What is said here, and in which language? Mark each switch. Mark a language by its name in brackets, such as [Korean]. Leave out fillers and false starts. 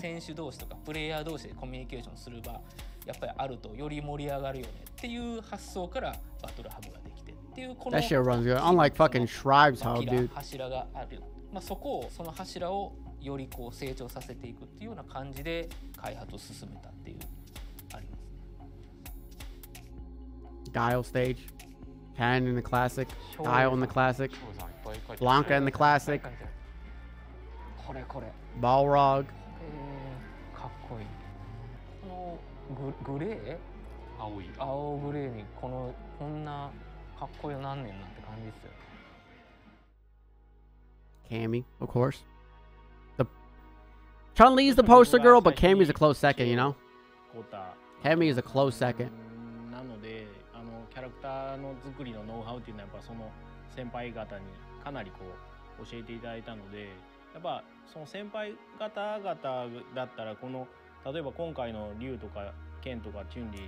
[Japanese] 選手同士とかプレイヤー同士でコミュニケーションする場やっぱりあるとより盛り上がるよねっていう発想からバトルハブができてっていうこの [English] That shit runs good. Unlike fucking Shrives Hub, dude. [Japanese] 柱がある、まあ、そこをその柱をよりこう成長させていくっていうような感じで開発を進めたっていうあります、ね。 [English] Dial stage, Ken in the classic, Dial in the classic, Blanca in the classic, [Japanese] これこれ [English] Balrog、 [Japanese] かっこいい。このグレー？青い。青グレーにこのこんなかっこよ何年なんて感じですよ。 [English] Cammy, of course. Chun-Li is the poster girl, but Cammy is a close second, you know? Cammy is a close second. [Japanese] なので、あの、キャラクターの作りのノウハウっていうのは、やっぱその先輩方にかなりこう教えていただいたので、やっぱその先輩方々だったら、この、例えば今回のリュウとかケンとかチュンリー、